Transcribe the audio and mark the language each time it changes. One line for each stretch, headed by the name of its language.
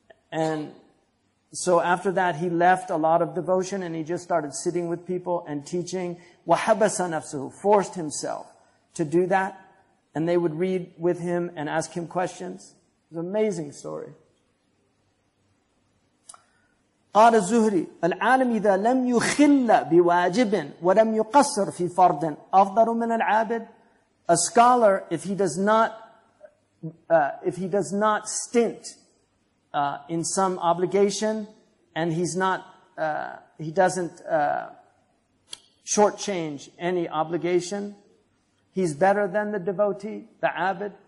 English: And so after that, he left a lot of devotion and he just started sitting with people and teaching.
Arabic: وَحَبَسَ نَفْسُهُ,
English: forced himself to do that. And they would read with him and ask him questions. It's an amazing story.
Arabic: قال الزهري العالم إذا لم يخل بواجب ولم يقصر في فرض أفضل من العابد.
English: A scholar, if he does not stint in some obligation, and he doesn't shortchange any obligation, he's better than the devotee, the abid.